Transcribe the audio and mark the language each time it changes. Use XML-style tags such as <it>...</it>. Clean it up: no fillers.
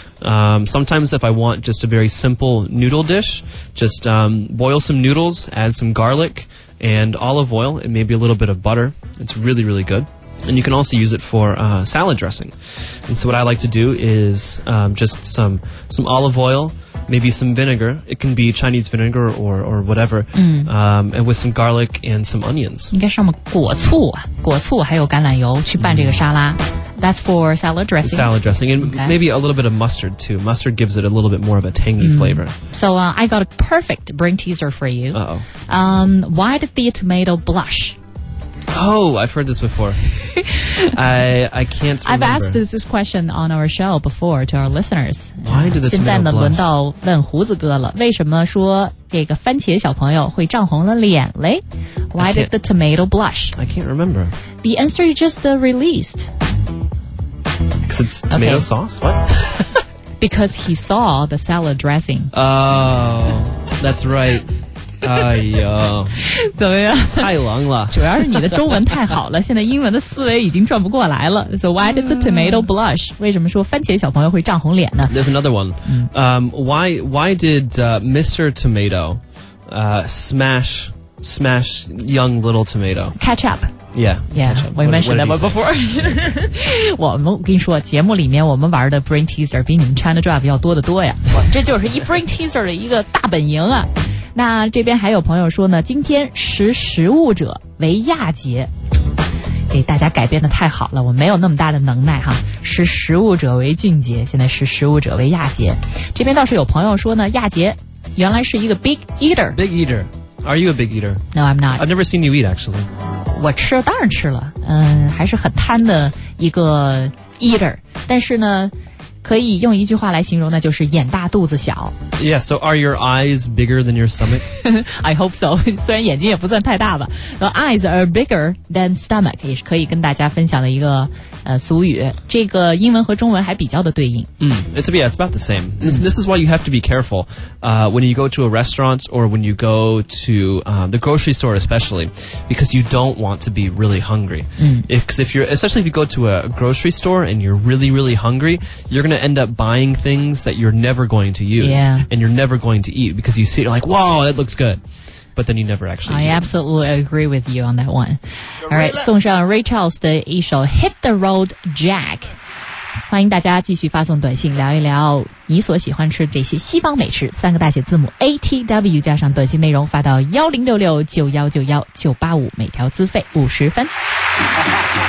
<en>Sometimes if I want just a very simple noodle dish, just boil some noodles, add some garlic and olive oil, and maybe a little bit of butter. It's really, really good. And you can also use it for salad dressing. And so what I like to do is just some olive oil, maybe some vinegar. It can be Chinese vinegar or whatever. And with some garlic and some onions.</en> <zh>应该上面果醋还有橄榄油去拌这个沙拉。</zh> <en>That's for salad dressing. Salad dressing. And maybe a little bit of mustard too. Mustard gives it a little bit more of a tangy flavor. So I got a perfect brain teaser for you. Why did the tomato blush? Oh, I've heard this before. I can't remember. I've asked this question on our show before to our listeners. Why did the tomato blush?</en> <zh>现在呢轮到问胡子哥了。为什么说这个番茄小朋友会涨红了脸嘞?</zh> <en>Why did the tomato blush? I can't remember. The answer you just released. Because it's tomato sauce? What? Because he saw the salad dressing. Oh, that's right.</en> <zh>哎呦，怎么样？太浓了。主要是你的中文太好了，现在英文的思维已经转不过来了。</zh> <en>So why did the tomato blush?</en> <zh>为什么说番茄小朋友会涨红脸呢？</zh> <en>There's another one. Why did Mr. Tomato smash young little tomato? Catch up. Yeah, we mentioned that one before.</en> <zh>我们跟你说，节目里面我们玩的 brain teaser 比你们 China Drive 要多得多呀。这就是一 brain teaser 的一个大本营啊。那这边还有朋友说呢，今天食食物者为亚节，给大家改编的太好了，我没有那么大的能耐哈。识时务者为俊杰，现在识时务者为亚杰。这边倒是有朋友说呢，亚杰原来是一个 big eater。</zh> <en>Big eater, are you a big eater? No, I'm not. I've never seen you eat actually.</en> <zh>我吃了，当然吃了，嗯，还是很贪的一个 eater。但是呢，可以用一句话来形容，那就是眼大肚子小。</zh> <en>Yeah, so are your eyes bigger than your stomach? I hope so.</en> <zh>虽然眼睛也不算太大吧。</zh> <en>The eyes are bigger than stomach</en> <zh>也是可以跟大家分享的一个俗语。这个英文和中文还比较的对应。</zh> <en>It's about the same. This is why you have to be careful. When you go to a restaurant or when you go to the grocery store especially, because you don't want to be really hungry. Especially if you go to a grocery store and you're really, really hungry, you're going to end up buying things that you're never going to use. Yeah. And you're never going to eat because you see it, you're like, whoa, that looks good. But then you never actually eat. I absolutely agree with you on that one. All right,</en> <zh>送上</zh> <en>Ray Charles</en> <zh>的一首</zh> <en>Hit the Road Jack.</en> <zh>欢迎大家继续发送短信聊一聊你所喜欢吃这些西方美食，三个大写字母 ATW 加上短信内容发到1066-9191-985，每条资费50分。</zh>